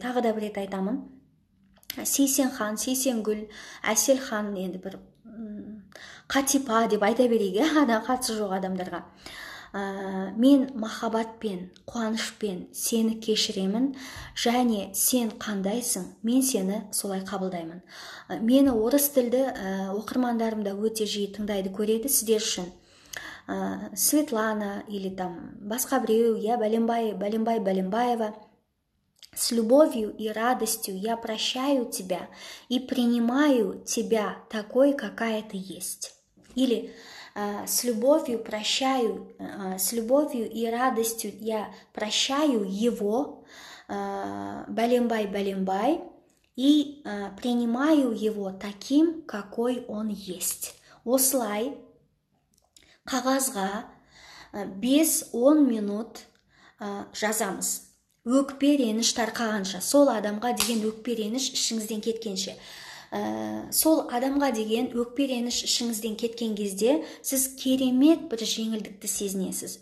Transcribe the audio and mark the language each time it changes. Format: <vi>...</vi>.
<kk>Тағы да бір рет айтамын: Сейсенхан, Сейсенгүл, Әселхан, енді бір Қатипа деп айта берейік, ана қатысы жоқ адамдарға. Мен махаббатпен, қуанышпен сені кешіремін және сен қандайсың, мен сені солай қабылдаймын. Мені орыс тілді оқырмандарымда өте жиі тыңдайды, көреді. Сіздер үшін</kk> <ru>Светлана или там</ru> <kk>басқа біреу,</kk> <ru>я бәленбай, бәленбай, бәленбаева: с любовью и радостью я прощаю тебя и принимаю тебя такой, какая ты есть. Или с любовью прощаю, с любовью и радостью я прощаю его, бәленбай, бәленбай, и принимаю его таким, какой он есть.</ru> <kk>Осылай қағазға 5-10 минут жазамыз. Өкпе реніш тарқағанша, сол адамға деген өкпе реніш ішіңізден кеткенше. Сол адамға деген өкпе реніш ішіңізден кеткен кезде сіз керемет бір жеңілдікті сезінесіз.</kk>